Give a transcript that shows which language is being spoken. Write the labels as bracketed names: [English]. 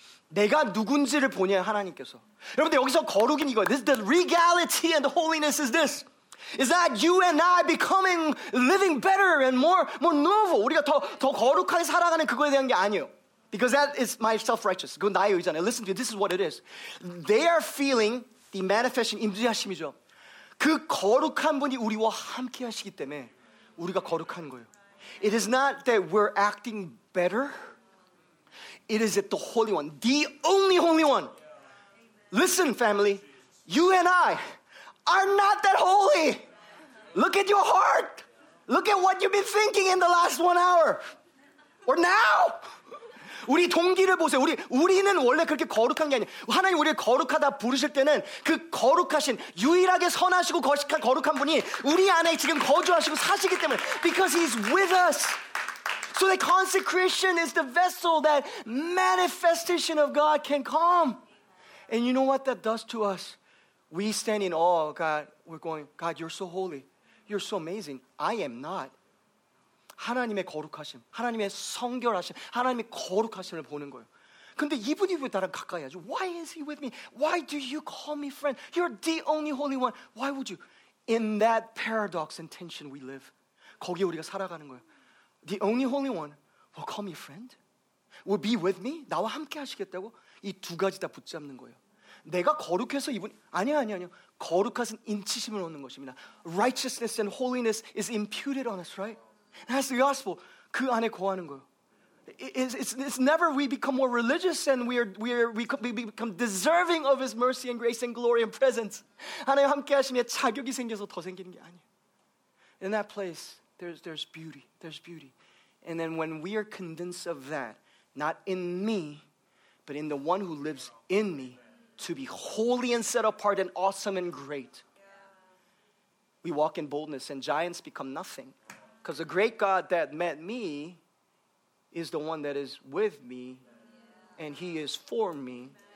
[Korean] 내가 누군지를 보냐, 하나님께서. 여러분들, 여기서 거룩인 이거. [English] This, the regality and the holiness is this. Is that you and I becoming, living better and more noble. [Korean] 우리가 더 거룩하게 살아가는 그거에 대한 게 아니에요. [English] Because that is my self-righteous. [Korean] 그건 나의 의잖아요. [English] Listen to you. This is what it is. They are feeling the manifestation, [Korean] 임재하심이죠. 그 거룩한 분이 우리와 함께 하시기 때문에 우리가 거룩한 거예요. [English] It is not that we're acting better. It is the Holy One, the only Holy One. Listen, family, you and I are not that holy. Look at your heart. Look at what you've been thinking in the last 1 hour. Or now. [Korean] 우리 동기를 보세요. 우리는 원래 그렇게 거룩한 게 아니에요. 하나님 우리를 거룩하다 부르실 때는 그 거룩하신, 유일하게 선하시고 거룩한 분이 우리 안에 지금 거주하시고 사시기 때문에. [English] Because he's with us. So the consecration is the vessel that manifestation of God can come. And you know what that does to us? We stand in awe, God. We're going, God, you're so holy. You're so amazing. I am not. [Korean] 하나님의 거룩하심, 하나님의 성결하심, 하나님의 거룩하심을 보는 거예요. 근데 이분이 왜 나랑 가까이 하죠? [English] Why is he with me? Why do you call me friend? You're the only holy one. Why would you? In that paradox and tension we live. [Korean] 거기에 우리가 살아가는 거예요. [English] The only holy one will call me friend, will be with me, [Korean] 나와 함께 하시겠다고 이 두 가지 다 붙잡는 거예요. 내가 거룩해서 이분, 아니요. 거룩하신 인치심을 얻는 것입니다. [English] Righteousness and holiness is imputed on us, right? That's the gospel. [Korean] 그 안에 거하는 거예요. [English] It's never we become more religious and we become deserving of his mercy and grace and glory and presence. [Korean] 하나님 함께 하시면 자격이 생겨서 더 생기는 게 아니에요. [English] In that place, There's beauty. There's beauty. And then when we are convinced of that, not in me, but in the one who lives in me, to be holy and set apart and awesome and great, we walk in boldness and giants become nothing. Because the great God that met me is the one that is with me, and he is for me.